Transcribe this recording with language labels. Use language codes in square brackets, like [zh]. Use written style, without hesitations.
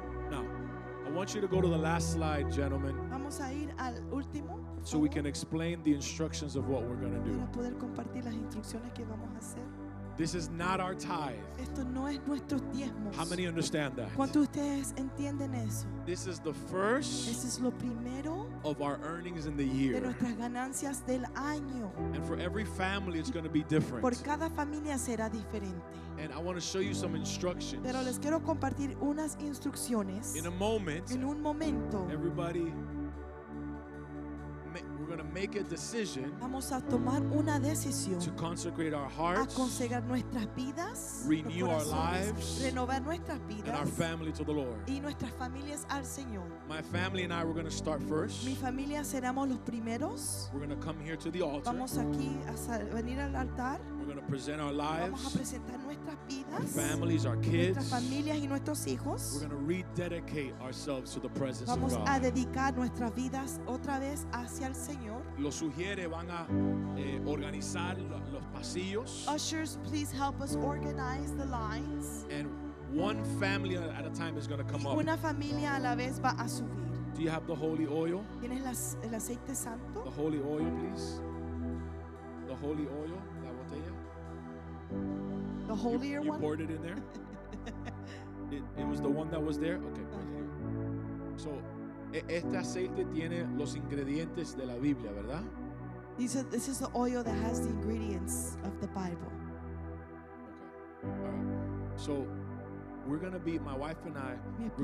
[en] Now, I want you to go to the last slide, gentlemen. [es] Vamos a ir al último. [en] So we can explain the instructions of what we're going to do. [es] Para poder compartir las instrucciones que vamos a hacer. [en] This is not our tithe. [es] Esto no es nuestros diezmos. [en] How many understand that? [es] ¿Cuántos ustedes entienden eso? [en] This is the first. [es] Este es lo primero [en] of our earnings in the year. [es] De nuestras ganancias del año. [en] And for every family, it's going to be different. [es] Por cada familia será diferente. [en] And I want to show you some instructions. [es] Pero les quiero compartir unas instrucciones. [en] In a moment. [es] En un momento. [en] Everybody. We're going to make a decision. [es] Vamos a tomar una decisión. [en] To consecrate our hearts. [es] A consagrar nuestras vidas. [en] Renew our lives. [es] Renovar nuestras vidas. [en] And our family to the Lord. [es] Y nuestras familias al Señor. [en] My family and I, we're going to start first. [es] Mi familia seremos los primeros. [en] We're going to come here to the altar. [es] Vamos aquí a venir al altar. [en] We're going to present our lives. [es] Vamos a presentar nuestras vidas. [en] Our families, our kids. [es] Nuestras familias y nuestros hijos. [en] We're going to rededicate ourselves to the presence [es] Vamos [en] of God. [es] Vamos a dedicar nuestras vidas otra vez hacia el Señor. Los sugiere van a organizar los pasillos. [en] Ushers, please help us organize the lines. And one family at a time is going to come [es] una [en] up. [es] Una familia a la vez va a subir. [en] Do you have the holy oil? [es] ¿Tienes el aceite santo? [en] The holy oil, please. The holy oil. The holier you one? You poured it in there? it was the one that was there? Okay, so, [es] este aceite tiene los ingredientes de la Biblia, ¿verdad? [en] This is the oil that has the ingredients of the Bible. Okay. All right. So, we're going to be, my wife and I, we're